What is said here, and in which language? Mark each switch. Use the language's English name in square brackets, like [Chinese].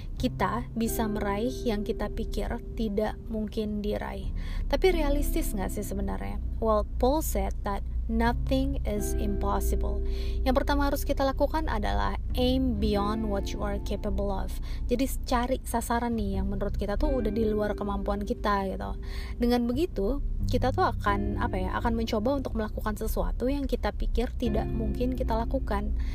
[Indonesian] Kita bisa meraih yang kita pikir tidak mungkin diraih. Tapi realistis gak sih sebenarnya? [English] Well, Paul said that nothing is impossible. [Indonesian] Yang pertama harus kita lakukan adalah [English] aim beyond what you are capable of. [Indonesian] Jadi cari sasaran nih yang menurut kita tuh udah di luar kemampuan kita gitu. Dengan begitu, kita tuh akan akan mencoba untuk melakukan sesuatu yang kita pikir tidak mungkin kita lakukan.